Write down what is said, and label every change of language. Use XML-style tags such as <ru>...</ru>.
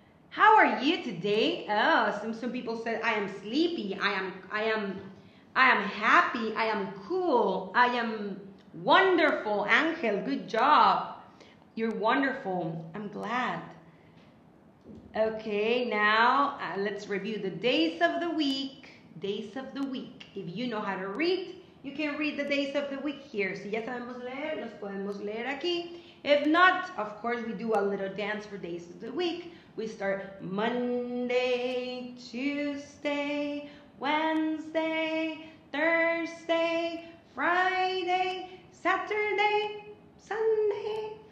<en>How are you today? Oh, some people said, I am sleepy, I am happy, I am cool, I am wonderful. Angel, good job. You're wonderful. I'm glad. Okay, now let's review the days of the week. Days of the week. If you know how to read, you can read the days of the week here.</en> <es>Si ya sabemos leer, los podemos leer aquí.</es> <en>If not, of course, we do a little dance for days of the week. We start Monday, Tuesday, Wednesday, Thursday, Friday, Saturday, Sunday.</en>